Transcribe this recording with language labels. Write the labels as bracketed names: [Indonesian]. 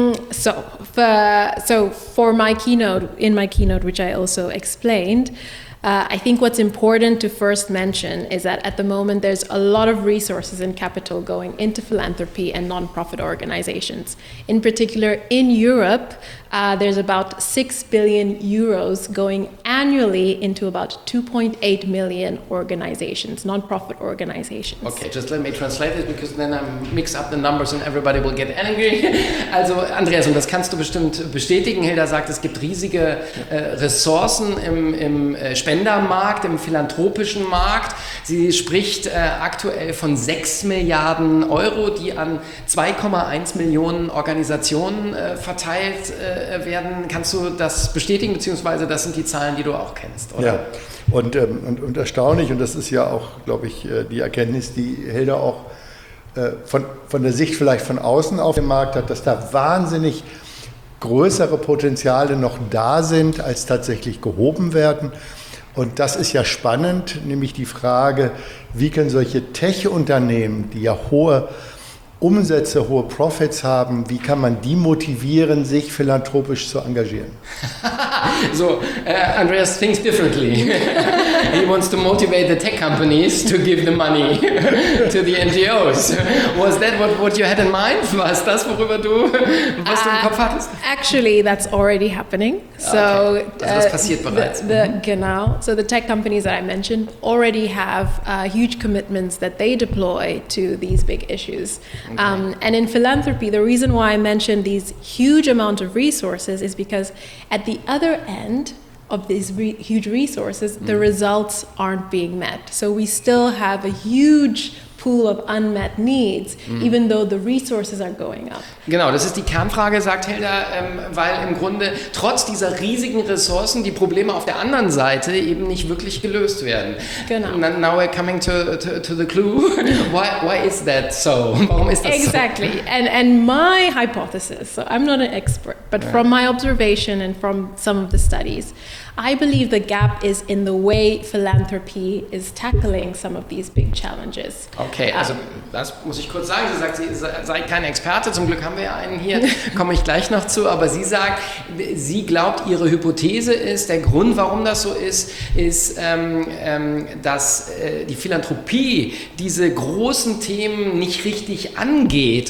[English] So for my keynote, which I also explained, I think what's important to first mention is that at the moment there's a lot of resources and capital going into philanthropy and nonprofit organizations. In particular, in Europe, there's about 6 billion euros going annually into about 2.8 million organizations, nonprofit organizations. Okay, just let me translate it, because then I mix up the numbers and everybody will get angry. [German] Also Andreas, und das kannst du bestimmt bestätigen, Hilda sagt, es gibt riesige Ressourcen im Spendermarkt, im philanthropischen Markt. Sie spricht aktuell von 6 Milliarden Euro, die an 2,1 Millionen Organisationen verteilt werden. Kannst du das bestätigen, beziehungsweise das sind die Zahlen, die du auch kennst, oder? Ja, und erstaunlich, und das ist ja auch, glaube ich, die Erkenntnis, die Hilda auch von der Sicht vielleicht von außen auf dem Markt hat, dass da wahnsinnig größere Potenziale noch da sind, als tatsächlich gehoben werden. Und das ist ja spannend, nämlich die Frage, wie können solche Tech-Unternehmen, die ja hohe Umsätze, hohe Profits haben, wie kann man die motivieren, sich philanthropisch zu engagieren? [English] So, Andreas thinks differently. He wants to motivate the tech companies to give the money to the NGOs. Was that what you had in mind? [German] Was das, worüber du, was du im Kopf hattest? [English] Actually, that's already happening. So, okay. [German] Also das passiert bereits. Genau. [English] So the tech companies that I mentioned already have huge commitments that they deploy to these big issues. Okay. And in philanthropy, the reason why I mentioned these huge amount of resources is because at the other end of these huge resources, the results aren't being met. So we still have a huge pool of unmet needs, even though the resources are going up. [German] Genau, das ist die Kernfrage, sagt Hilda, weil im Grunde trotz dieser riesigen Ressourcen die Probleme auf der anderen Seite eben nicht wirklich gelöst werden. Genau. [English] Now we're coming to the clue. Why is that so? [German] Warum ist das [English] exactly. [German] so? [English] Exactly. And my hypothesis, so I'm not an expert, but from my observation and from some of the studies, I believe the gap is in the way philanthropy is tackling some of these big challenges. [German] Okay, also das muss ich kurz sagen. Sie sagt, sie sei kein Experte. Zum Glück haben wir einen hier. Komme ich gleich noch zu. Aber sie sagt, sie glaubt, ihre Hypothese ist, der Grund, warum das so ist, ist, dass die Philanthropie diese großen Themen nicht richtig angeht.